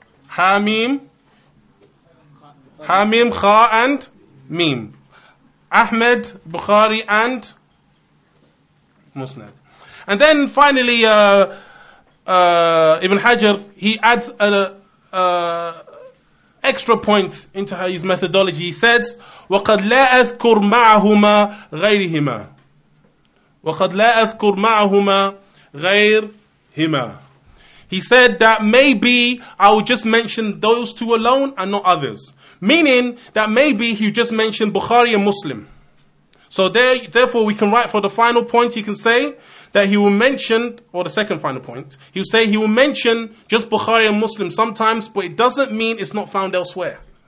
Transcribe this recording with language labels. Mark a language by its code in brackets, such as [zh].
[en] Hamim, Hamim, Kha, and Mim. Ahmed, Bukhari, and Musnad. And then finally, Ibn Hajar, he adds an extra point into his methodology. He says, [ar] وَقَدْ لَا أَذْكُرْ مَعَهُمَا غَيْرِهِمَا وَقَدْ لَا أَذْكُرْ مَعَهُمَا غَيْرِهِمَا. [en] He said that maybe I will just mention those two alone and not others. Meaning that maybe he just mentioned Bukhari and Muslim. So therefore we can write for the final point, he can say that he will mention, or the second final point, he'll say he will mention just Bukhari and Muslim sometimes, but it doesn't mean it's not found elsewhere.